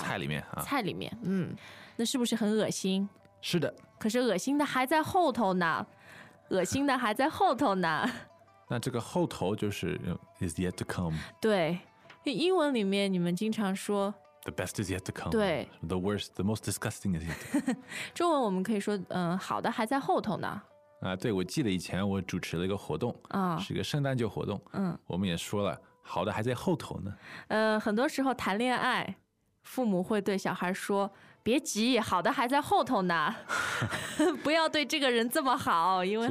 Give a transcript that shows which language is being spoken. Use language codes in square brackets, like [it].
[zh] 菜里面啊，菜里面，嗯，那是不是很恶心？是的。可是恶心的还在后头呢，恶心的还在后头呢。那这个后头就是 [en] is yet to come。 [zh] 对，英文里面你们经常说 [en] the best is yet to come。 [zh] 对 [en] ，the worst, the most disgusting is yet to come。 [zh] 中文我们可以说，好的还在后头呢。啊，对，我记得以前我主持了一个活动啊、哦，是一个圣诞节活动，嗯，我们也说了。好的还在后头呢。很多时候谈恋爱，父母会对小孩说：“别急，好的还在后头呢，不要对这个人这么好，因为